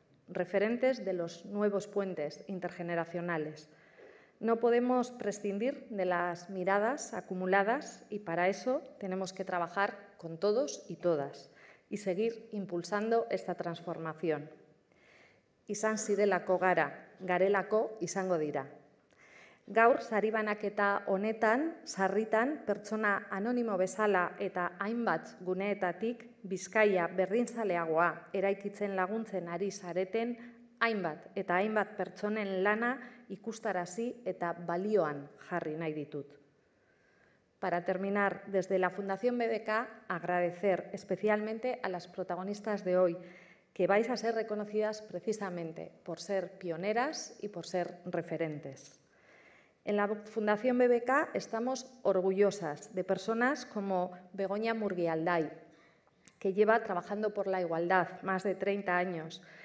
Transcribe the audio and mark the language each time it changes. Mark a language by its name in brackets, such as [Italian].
[Spanish] Referentes de los nuevos puentes intergeneracionales. No podemos prescindir de las miradas acumuladas y para eso tenemos que trabajar con todos y todas y seguir impulsando esta transformación. [Basque] Izan zirelako gara, garelako izango dira. Gaur sari banaketa honetan, sarritan, pertsona anonimo bezala eta hainbat guneetatik Bizkaia berdintzaleagoa eraikitzen laguntzen ari zareten hainbat eta hainbat pertsonen lana ikustarazi eta balioan jarri nahi ditut. [Spanish] Para terminar, desde la Fundación BBK, agradecer especialmente a las protagonistas de hoy, que vais a ser reconocidas precisamente por ser pioneras y por ser referentes. En la Fundación BBK estamos orgullosas de personas como Begoña Murgialdai, que lleva trabajando por la igualdad más de 30 años